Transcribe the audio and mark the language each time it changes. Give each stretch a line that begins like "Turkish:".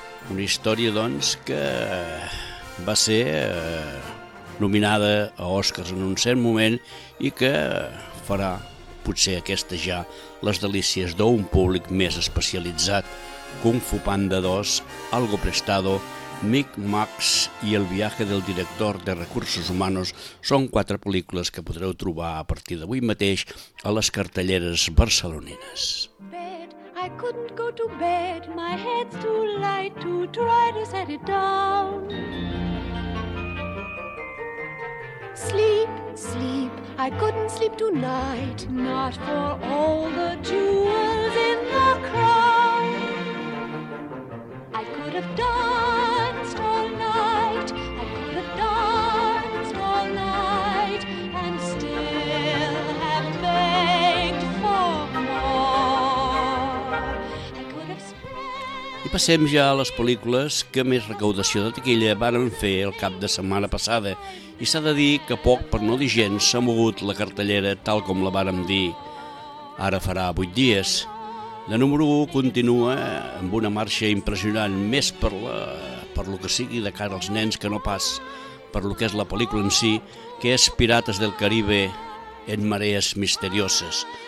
Catalan: Una història, doncs, que va ser nominada a Oscars en un cert moment i que farà, potser aquesta ja, les delícies d'un públic més especialitzat. Kung Fu Panda 2, Algo Prestado, Mick Max i El viatge del director de recursos humanos són quatre pel·lícules que podreu trobar a partir d'avui mateix a les cartelleres barcelonines.
English: Bed, I couldn't go to bed, my head's too light to try to set it down. Sleep, sleep, I couldn't sleep tonight, not for all the jewels in the crown. I could have danced all night, I could have danced all night, and still have begged for more. I could have spent...
Catalan: I passem ja a les pel·lícules que més recaudació de taquilla varen fer el cap de setmana passada. I s'ha de dir que poc, per no dir gens, s'ha mogut la cartellera tal com la vàrem dir ara farà 8 dies. La número 1 continua amb una marxa impressionant, més per lo que sigui de cara als nens que no pas per lo que és la pel·lícula en si, que és Pirates del Caribe en marees misterioses.